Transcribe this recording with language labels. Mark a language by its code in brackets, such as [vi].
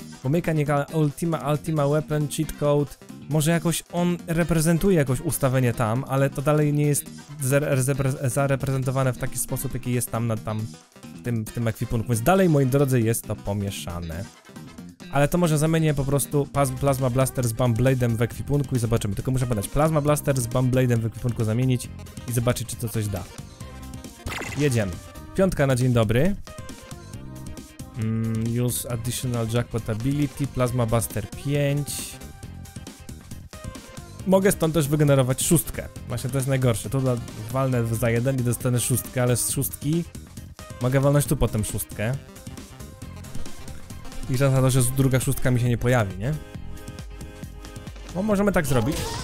[pl] Bo Mechanical Ultima Weapon Cheat Code. Może jakoś on reprezentuje jakoś ustawienie tam, ale to dalej nie jest zareprezentowane w taki sposób, jaki jest tam na tam w tym ekwipunku, więc dalej, moi drodzy, jest to pomieszane. Ale to może zamienię po prostu Plasma Blaster z Bomb Blade'em w ekwipunku i zobaczymy. Tylko muszę podać Plasma Blaster z Bomb Blade'em w ekwipunku zamienić i zobaczyć, czy to coś da. Jedziemy. Piątka na dzień dobry. [en] Use additional jackpot ability, Plasma Blaster 5. [pl] Mogę stąd też wygenerować szóstkę. Właśnie to jest najgorsze. Tu walnę za jeden i dostanę szóstkę, ale z szóstki mogę walnąć tu potem szóstkę. I szansa to, że druga szóstka mi się nie pojawi, nie? No, możemy tak zrobić.